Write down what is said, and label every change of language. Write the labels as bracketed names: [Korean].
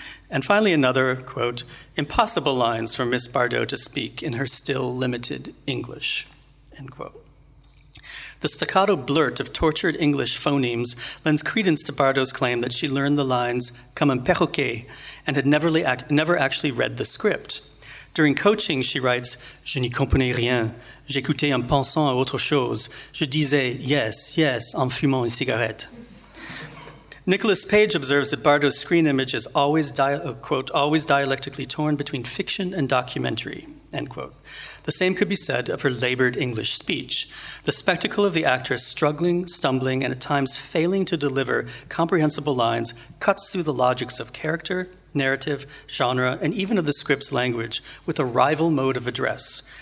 [English] And finally another, quote, impossible lines for Miss Bardot to speak in her still limited English, end quote. The staccato blurt of tortured English phonemes lends credence to Bardot's claim that she learned the lines [French] comme un perroquet [English] and had never actually read the script. During coaching, she writes, [French] Je n'y comprenais rien. J'écoutais en pensant à autre chose. Je disais, [English] yes, yes, [French] en fumant une cigarette. [English] Nicholas Page observes that Bardot's screen image is always, quote, always dialectically torn between fiction and documentary, end quote. The same could be said of her labored English speech. The spectacle of the actress struggling, stumbling, and at times failing to deliver comprehensible lines cuts through the logics of character, narrative, genre, and even of the script's language with a rival mode of address.